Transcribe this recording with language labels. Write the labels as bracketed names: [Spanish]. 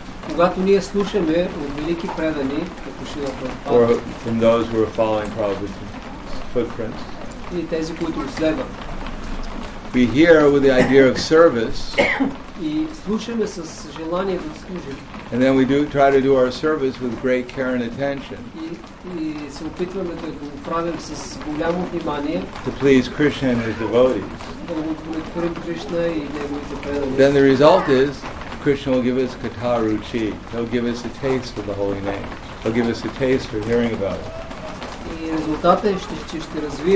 [Bulgarian] когато ние слушаме от велики предани, като Шрила Прабхупада, или тези, които следват, [English] we hear with the idea of service, [Bulgarian] и слушаме с желание да служим, [English] and then we do try to do our service with great care and attention, [Bulgarian] и се опитваме да го правим с голямо внимание, [English] to please Krishna and his devotees, [Bulgarian] да го удовлетворим Кришна и неговите предани, [English] then the result is Krishna will give us Kataruchi. He'll give us a taste of the holy name. He'll give us a taste for hearing about it.